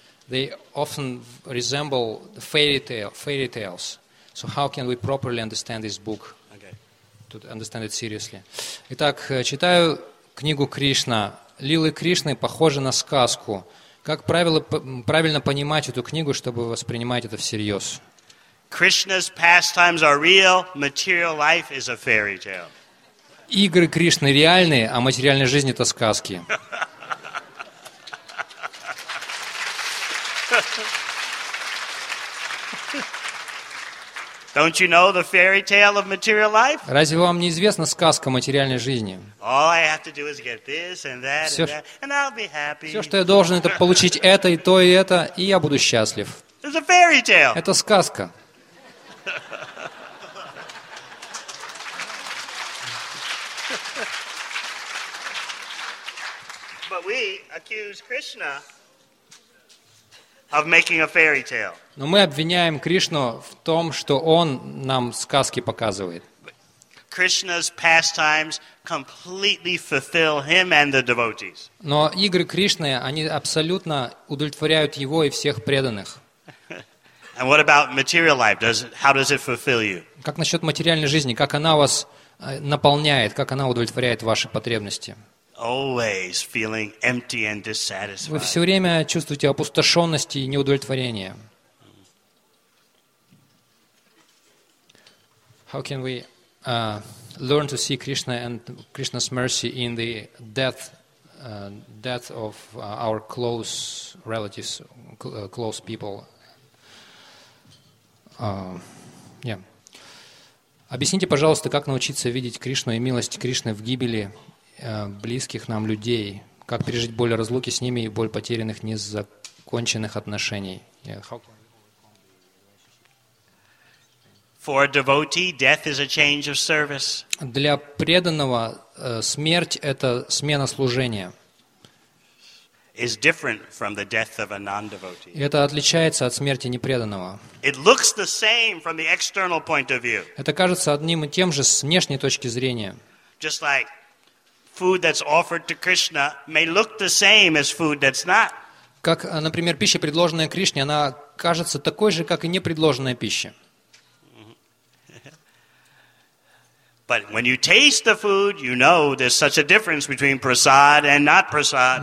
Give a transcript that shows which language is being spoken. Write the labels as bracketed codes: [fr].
[en] They often resemble the fairy tales. So how can we properly understand this book? Okay. To understand it seriously. [ru] Итак, читаю книгу Кришна. Лилы Кришны похожи на сказку. Как правильно понимать эту книгу, чтобы воспринимать это всерьез? [en] Krishna's pastimes are real. Material life is a fairy tale. [ru] Игры Кришны реальные, а материальная жизнь это сказки. [en] Don't you know the fairy tale of material life? [ru] Разве вам не известна сказка материальной жизни? [en] All I have to do is get this and that and that, and I'll be happy. [ru] Все, что я должен, это получить это и то и это, и я буду счастлив. [en] It's a fairy tale. [ru] Это сказка. [en] But we accuse Krishna of making a fairy tale. [ru] Но мы обвиняем Кришну в том, что он нам сказки показывает. [en] Krishna's pastimes completely fulfill him and the devotees. [ru] Но игры Кришны, они абсолютно удовлетворяют его и всех преданных. [en] And what about material life? How does it fulfill you? [ru] Как насчёт материальной жизни? Как она вас наполняет? Как она удовлетворяет ваши потребности? [en] Always feeling empty and dissatisfied. [ru] Вы всё время чувствуете опустошённость и неудовлетворение. [en] How can we learn to see Krishna and Krishna's mercy in the death of our close relatives, close people? [ru] Объясните, пожалуйста, как научиться видеть Кришну и милость Кришны в гибели близких нам людей, как пережить боль разлуки с ними и боль потерянных незаконченных отношений. [en] For a devotee, death is a change of service. [ru] Для преданного смерть это смена служения. [en] Is different from the death of a non-devotee. [ru] Это отличается от смерти непреданного. [en] It looks the same from the external point of view. [ru] Это кажется одним и тем же с внешней точки зрения. [en] Just like food that's offered to Krishna may look the same as food that's not. [ru] Как, например, пища, предложенная Кришне, она кажется такой же, как и непредложенная пища. [en] But when you taste the food, you know there's such a difference between prasad and not prasad.